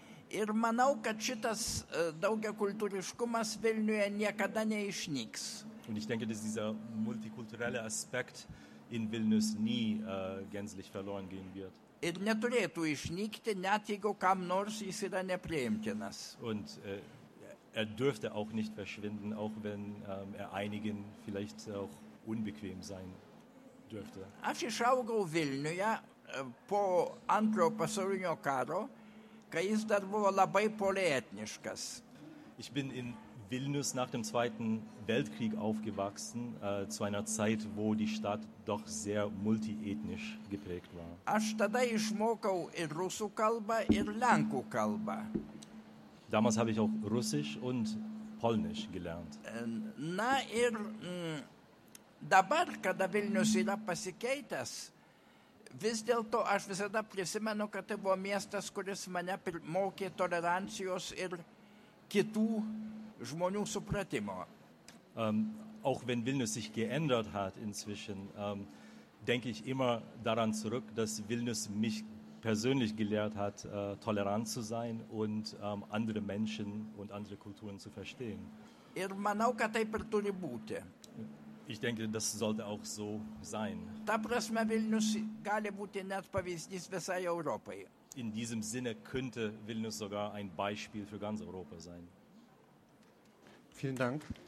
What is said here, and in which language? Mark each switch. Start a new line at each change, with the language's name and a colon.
Lithuanian: Ir manau, kad šitas daugiakultūriškumas Vilniuje niekada neišnyks.
German: Und ich denke, dass dieser multikulturelle Aspekt in Vilnius nie gänzlich verloren gehen wird.
Lithuanian: Ir neturėtų išnykti, net jeigu kam nors jis yra nepriimtinas.
German: Und er dürfte auch nicht verschwinden, auch wenn er einigen vielleicht auch unbequem sein dürfte.
Lithuanian: Aš išaugau Vilniuje po antrojo pasaulinio karo, kai jis dar buvo labai polietniškas.
German: Ich bin in Vilnius nach dem Zweiten Weltkrieg aufgewachsen, zu einer Zeit, wo die Stadt doch sehr multiethnisch geprägt war.
Lithuanian: Aš tada išmokau ir rusų kalbą, ir lenkų kalbą.
German: Damals habe ich auch Russisch und Polnisch gelernt.
Lithuanian: Na ir dabar, kada Vilnius yra pasikeitęs, vis dėlto aš visada prisimenu, kad tai buvo miestas, kuris mane mokė tolerancijos ir kitų žmonių supratimo.
German: Auch wenn Vilnius sich geändert hat inzwischen, denke ich immer daran zurück, dass Vilnius mich persönlich gelehrt hat, tolerant zu sein und andere Menschen und andere Kulturen zu verstehen.
Lithuanian: Ir manau, kad taip ir turi būti.
German: Ich denke, das sollte auch so sein.
Lithuanian: Ta prasme, Vilnius gali būti net pavyzdys visai Europai.
German: In diesem Sinne könnte Vilnius sogar ein Beispiel für ganz Europa sein. Vielen Dank.